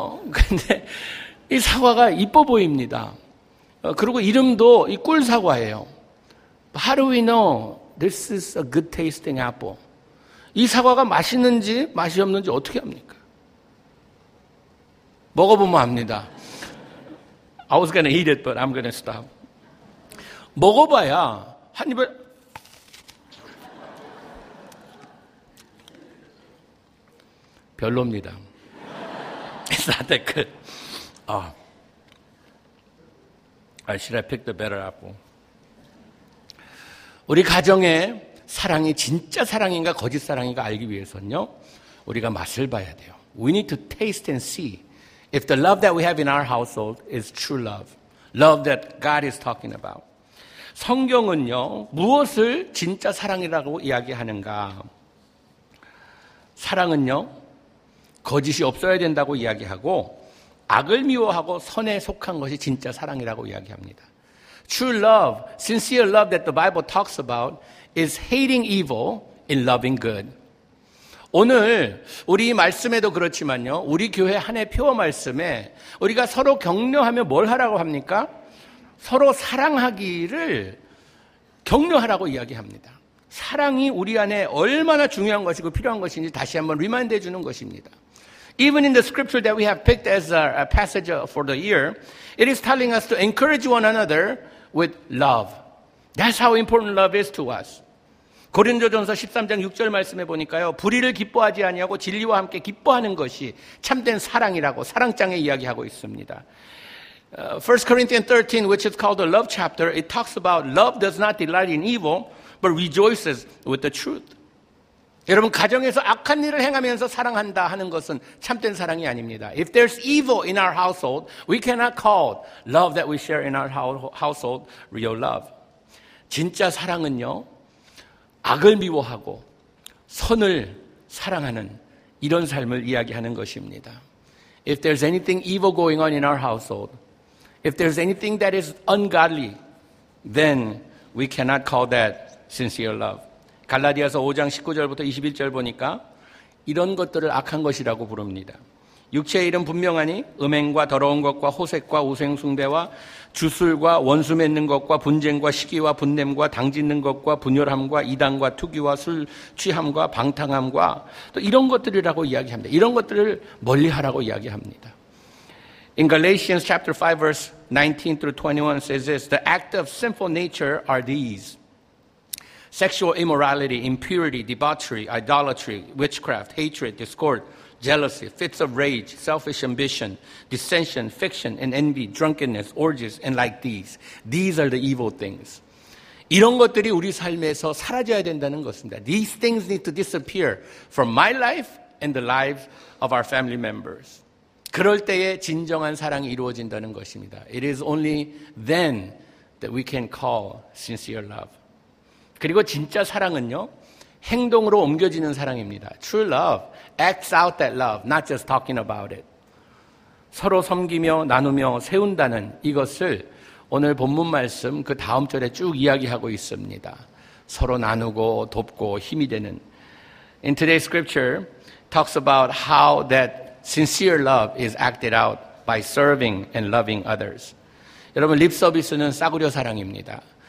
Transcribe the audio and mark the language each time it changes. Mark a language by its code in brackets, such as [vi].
[ko] 근데 이 사과가 이뻐 보입니다. 그리고 이름도 이 꿀 사과예요. [en] How do we know this is a good tasting apple? [ko] 이 사과가 맛있는지 맛이 없는지 어떻게 합니까? 먹어보면 압니다. [en] I was gonna eat it, but I'm gonna stop. [ko] 먹어봐야 한 입을 별로입니다. [en] It's not that good. Should I pick the better apple? [ko] 우리 가정에 사랑이 진짜 사랑인가 거짓 사랑인가 알기 위해서는요, 우리가 맛을 봐야 돼요. [en] We need to taste and see if the love that we have in our household is true love. Love that God is talking about. [ko] 성경은요, 무엇을 진짜 사랑이라고 이야기하는가? 사랑은요, 거짓이 없어야 된다고 이야기하고 악을 미워하고 선에 속한 것이 진짜 사랑이라고 이야기합니다. [en] True love, sincere love that the Bible talks about is hating evil in loving good. [ko] 오늘 우리 말씀에도 그렇지만요, 우리 교회 한 해 표어 말씀에 우리가 서로 격려하며 뭘 하라고 합니까? 서로 사랑하기를 격려하라고 이야기합니다. 사랑이 우리 안에 얼마나 중요한 것이고 필요한 것인지 다시 한번 리마인드해 주는 것입니다. [en] Even in the scripture that we have picked as our passage for the year, it is telling us to encourage one another with love. That's how important love is to us. [ko] 고린도전서 13장 6절 말씀해 보니까요, 불의를 기뻐하지 아니하고 진리와 함께 기뻐하는 것이 참된 사랑이라고 사랑장에 이야기하고 있습니다. [en] 1 Corinthians 13, which is called the love chapter, it talks about love does not delight in evil, but rejoices with the truth. [ko] 여러분, 가정에서 악한 일을 행하면서 사랑한다 하는 것은 참된 사랑이 아닙니다. [en] If there's evil in our household, we cannot call love that we share in our household real love. [ko] 진짜 사랑은요, 악을 미워하고 선을 사랑하는 이런 삶을 이야기하는 것입니다. [en] If there's anything evil going on in our household, if there's anything that is ungodly, then we cannot call that sincere love. [ko] 갈라디아서 5장 19절부터 21절 보니까 이런 것들을 악한 것이라고 부릅니다. 육체의 일은 분명하니 음행과 더러운 것과 호색과 우생숭배와 주술과 원수 맺는 것과 분쟁과 시기와 분냄과 당짓는 것과 분열함과 이단과 투기와 술 취함과 방탕함과 또 이런 것들이라고 이야기합니다. 이런 것들을 멀리하라고 이야기합니다. [en] In Galatians chapter 5 verse 19 through 21 says this, the acts of sinful nature are these. Sexual immorality, impurity, debauchery, idolatry, witchcraft, hatred, discord, jealousy, fits of rage, selfish ambition, dissension, fiction, and envy, drunkenness, orgies, and like these. These are the evil things. [ko] 이런 것들이 우리 삶에서 사라져야 된다는 것입니다. [en] These things need to disappear from my life and the lives of our family members. [ko] 그럴 때에 진정한 사랑이 이루어진다는 것입니다. [en] It is only then that we can call sincere love. [ko] 그리고 진짜 사랑은요, 행동으로 옮겨지는 사랑입니다. [en] True love acts out that love, not just talking about it. [ko] 서로 섬기며 나누며 세운다는 이것을 오늘 본문 말씀 그 다음 절에 쭉 이야기하고 있습니다. 서로 나누고 돕고 힘이 되는. [en] In today's scripture, talks about how that sincere love is acted out by serving and loving others. [ko] 여러분, 립서비스는 싸구려 사랑입니다.